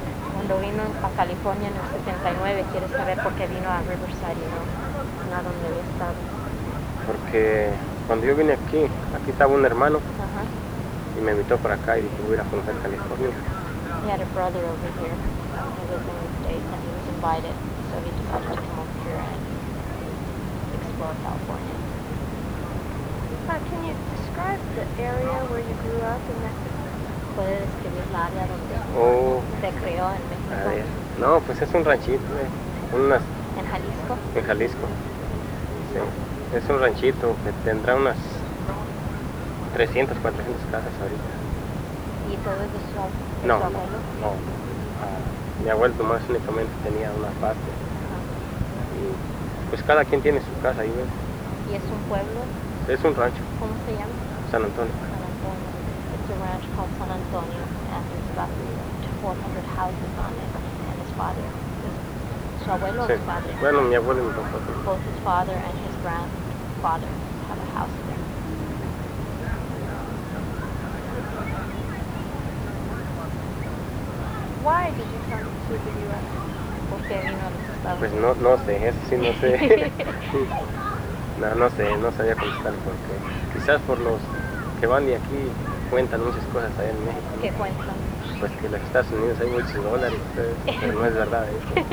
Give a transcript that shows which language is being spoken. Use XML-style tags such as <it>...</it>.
<es>Cuando vino a California en el 79, quiere saber por qué vino a Riverside, ¿no? No a donde había estado. Porque cuando yo vine aquí, aquí estaba un hermano. Uh-huh. Y me invitó para acá y dije, voy a conocer California.</es> <en>He had a brother over here. He lived in the States and he was invited. So he decided to come over here and explore California. Can you describe the area where you grew up in Mexico?</en> <es>¿Puede describir la área donde se crió en México? No, pues es un ranchito. Unas, ¿en Jalisco? En Jalisco. Sí. Es un ranchito que tendrá unas 300, 400 casas ahorita. ¿Y todo es de su abuelo? No, no. Mi abuelo Tomás únicamente tenía una parte. Uh-huh. Y, pues cada quien tiene su casa ahí. ¿Ves? ¿Y es un pueblo? Es un rancho. ¿Cómo se llama? San Antonio. San Antonio.</es> <en>It's a ranch called San Antonio and there's about 400 houses on it and his father.</en> <es>Su abuelo sí. O su padre. Bueno, mi abuelo y mi papá.</es> <en>Both his father and his grandfather have a house there. Why did you come to the U.S.?</en> <es>¿Por qué vino a los Estados Unidos? Pues no, no sé, eso sí no sé. No, no sé, no sabía contestar porque quizás por los que van de aquí cuentan muchas cosas allá en México. ¿Qué cuentan? Pues que en los Estados Unidos hay muchos dólares, pues, pero no es verdad eso.</es>